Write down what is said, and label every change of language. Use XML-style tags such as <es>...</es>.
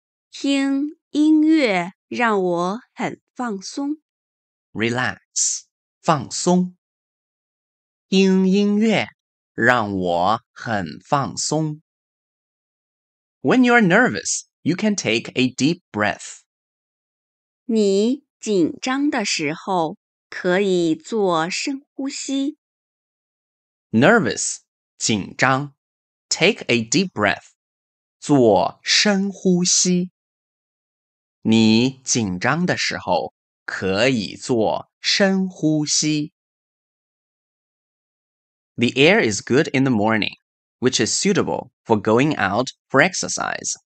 <zh>听音乐让我很放松。</zh> <en>Relax,</en> <zh>放松。听音乐让我很放松。</zh> <en>When you're nervous, you can take a deep breath.</en> <zh>你紧张的时候可以做深呼吸。</zh> <en>Nervous,</en> <zh>紧张。</zh> <en>Take a deep breath,</en> <zh>做深呼吸。你紧张的时候可以做深呼吸。</zh> <en>The air is good in the morning, which is suitable for going out for exercise.</en>